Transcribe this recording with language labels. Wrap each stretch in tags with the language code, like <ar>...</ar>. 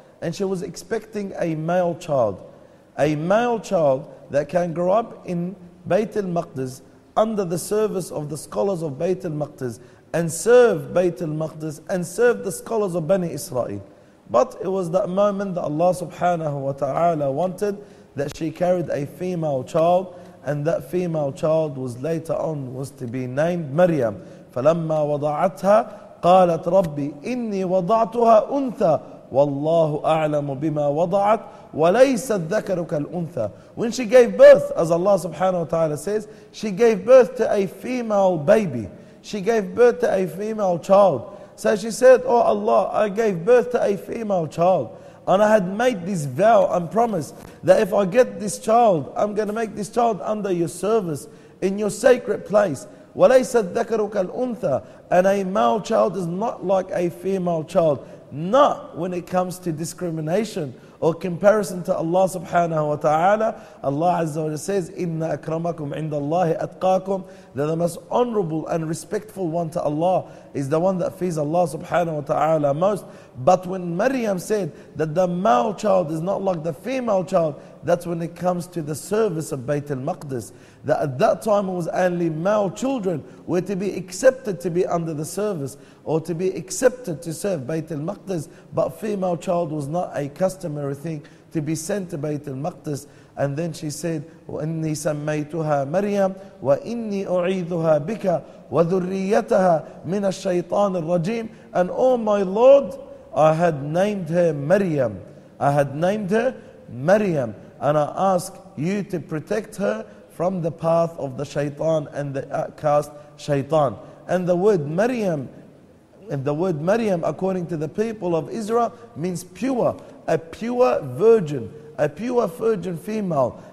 <en>And she was expecting a male child. A male child that can grow up in Bayt al-Maqdis under the service of the scholars of Bayt al-Maqdis and serve Bayt al-Maqdis and serve the scholars of Bani Israel. But it was that moment that Allah subhanahu wa ta'ala wanted that she carried a female child, and that female child was later on was to be named Maryam.</en> <ar>فَلَمَّا وَضَعَتْهَا قَالَتْ رَبِّ إِنِّي وَضَعْتُهَا أُنْثَى والله أعلم بما وضعت وليس الذكر كالأنثى.</ar> <en>When she gave birth, as Allah subhanahu wa ta'ala says, she gave birth to a female baby. She gave birth to a female child. So she said, oh Allah, I gave birth to a female child. And I had made this vow and promise that if I get this child, I'm going to make this child under your service, in your sacred place.</en> <ar>وَلَيْسَ الذَّكَرُ كَالْأُنْثَى.</ar> <en>And a male child is not like a female child. Not when it comes to discrimination or comparison to Allah subhanahu wa ta'ala. Allah azza wa jalla says,</en> <ar>إِنَّ أَكْرَمَكُمْ عِنْدَ اللَّهِ أَتْقَاكُمْ.</ar> <en>That the most honorable and respectful one to Allah is the one that fears Allah subhanahu wa ta'ala most. But when Maryam said that the male child is not like the female child, that's when it comes to the service of Bayt al-Maqdis. That at that time it was only male children were to be accepted to be under the service or to be accepted to serve Bayt al-Maqdis. But female child was not a customary thing to be sent to Bayt al-Maqdis. And then she said,</en> <ar>وَإِنِّي سَمَّيْتُهَا مَرْيَمْ وَإِنِّي أُعِيذُهَا بِكَ وَذُرِّيَّتَهَا مِنَ الشَّيْطَانِ الرَّجِيمِ.</ar> <en>And oh my Lord, I had named her Maryam. I had named her Maryam. And I ask you to protect her from the path of the shaitan and the outcast shaitan. And the word Maryam, and the word Maryam, according to the people of Israel, means pure, a pure virgin, a pure virgin female.</en>